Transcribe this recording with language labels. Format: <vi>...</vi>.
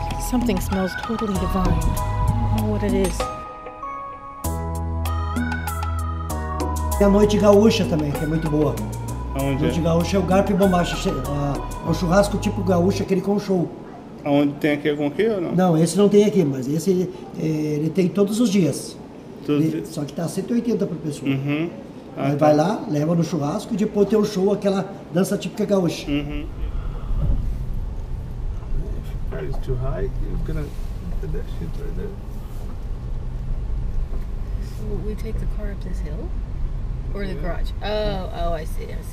<en>Something smells totally divine. I don't know what it is.</en> <pt>E a noite gaúcha também, que é muito boa. Aonde? Noite gaúcha é o garpo e bombacha. É um churrasco tipo gaúcha, aquele com show. Aonde tem aqui com aqui ou não? Não, esse não tem aqui, mas esse ele tem todos os dias. Só que tá 180 por pessoa. Uhum. Ah, tá. Vai lá, leva no churrasco e depois tem o show, aquela dança típica gaúcha. Uhum.</pt> <en>Too high, you're gonna put that shit right there. So we take the car up this hill? Or yeah. The garage? Oh, I see.</en>